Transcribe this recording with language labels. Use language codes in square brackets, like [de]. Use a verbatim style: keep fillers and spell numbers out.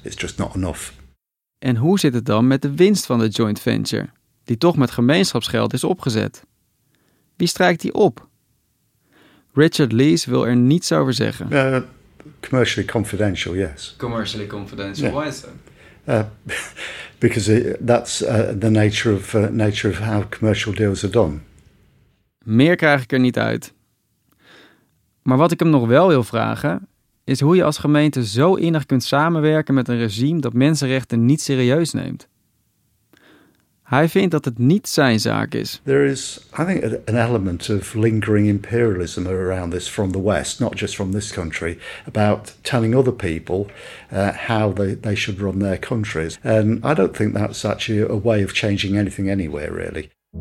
[en] It's just not enough. [nl] En hoe zit het dan met de winst van de joint venture, die toch met gemeenschapsgeld is opgezet? Wie strijkt die op? Richard Leese wil er niets over zeggen. [en] Uh, commercially confidential, yes. Commercially confidential, yeah. Why is that? Uh, because it, that's uh, the nature of, uh, nature of how commercial deals are done. [nl] Meer krijg ik er niet uit. Maar wat ik hem nog wel wil vragen is hoe je als gemeente zo innig kunt samenwerken met een regime dat mensenrechten niet serieus neemt. Hij vindt dat het niet zijn zaak is. [en] There is, I think, an element of lingering imperialism around this from the West, not just from this country, about telling other people uh, how they, they should run their countries. And I don't think that's actually a way of changing anything anywhere, really.